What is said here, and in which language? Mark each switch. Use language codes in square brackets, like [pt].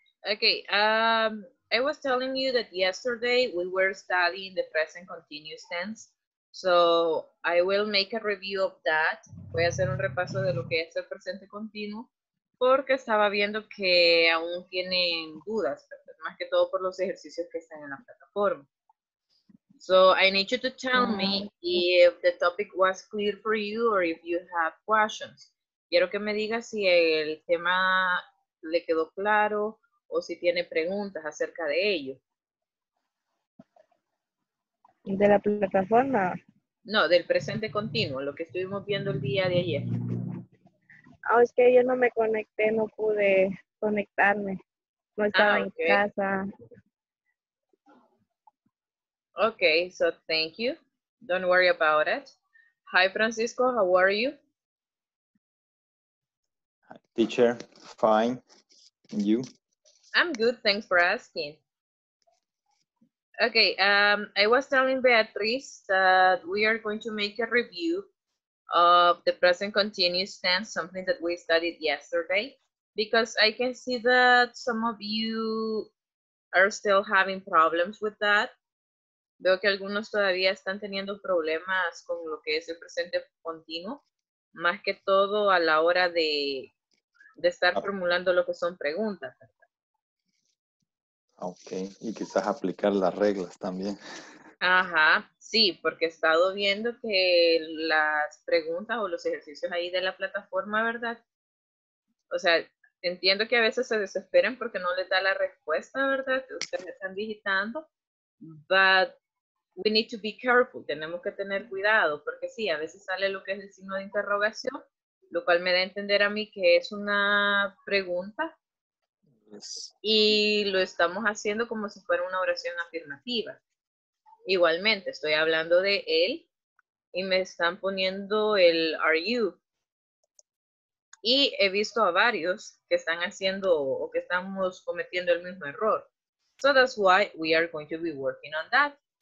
[en] Okay, I was telling you that yesterday we were studying the present continuous tense. So I will make a review of that. [es] Voy a hacer un repaso de lo que es el presente continuo. Porque estaba viendo que aún tienen dudas, más que todo por los ejercicios que están en la plataforma. [en] So I need you to tell me if the topic was clear for you or if you have questions. [es] Quiero que me digas si el tema le quedó claro o si tiene preguntas acerca de ello. ¿De la plataforma? No, del presente continuo, lo que estuvimos viendo el día de ayer. Ah, es que yo no me conecté, no pude conectarme. No estaba en casa. [en] Okay, so thank you. Don't worry about it. Hi, Francisco, how are you? Teacher, fine. And you? I'm good, thanks for asking. Okay, I was telling Beatriz that we are going to make a review of the present continuous tense, something that we studied yesterday, because I can see that some of you are still having problems with that. [es] Veo que algunos todavía están teniendo problemas con lo que es el presente continuo, más que todo a la hora de estar formulando lo que son preguntas. Ok, y quizás aplicar las reglas también. Ajá, sí, porque he estado viendo que las preguntas o los ejercicios ahí de la plataforma, ¿verdad? O sea, entiendo que a veces se desesperan porque no les da la respuesta, ¿verdad? Que ustedes están digitando. But we need to be careful, tenemos que tener cuidado, porque sí, a veces sale lo que es el signo de interrogación, lo cual me da a entender a mí que es una pregunta. Yes. Y lo estamos haciendo como si fuera una oración afirmativa. Igualmente, estoy hablando de él y me están poniendo el are you. Y he visto a varios que están haciendo o que estamos cometiendo el mismo error. [en] So that's why we are going to be working on that.